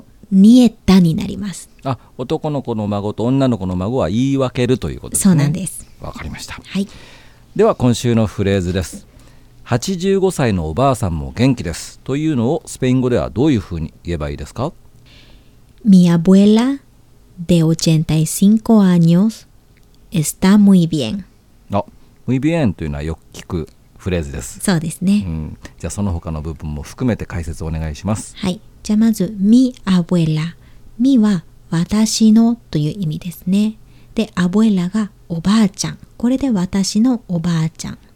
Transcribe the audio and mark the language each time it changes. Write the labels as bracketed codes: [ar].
[ja] ニエタになります。あ、男の子の孫と女の子の孫は言い分けるということですね。そうなんです。わかりました、はい、では今週のフレーズです。85歳のおばあさんも元気ですというのをスペイン語ではどういうふうに言えばいいですか。 [es] Mi abuela de 85 años está muy bien。 [ja] あ、 [es] muy bien [ja] というのはよく聞くフレーズです。そうですね、うん、じゃあその他の部分も含めて解説お願いします。はい、じゃあまず [es] Mi abuela、 [ja] Mi は私のという意味ですね。で、abuela がおばあちゃん、これで私のおばあちゃん。